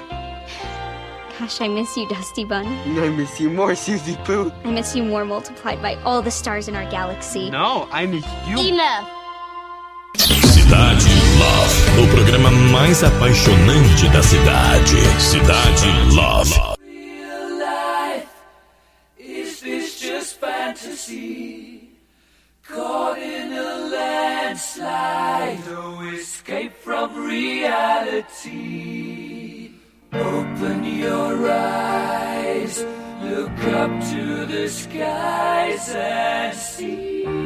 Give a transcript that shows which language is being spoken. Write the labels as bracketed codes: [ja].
[en] Gosh, I miss you, Dusty Bun. I miss you more, Susie Pooh. I miss you more multiplied by all the stars in our galaxy. No, I miss you. Enough. [pt] Cidade Love, o programa mais apaixonante da cidade. Cidade Love. [en] Real life, is this just fantasy? Caught in a landslide, no escape from reality. Open your eyes, look up to the skies and see.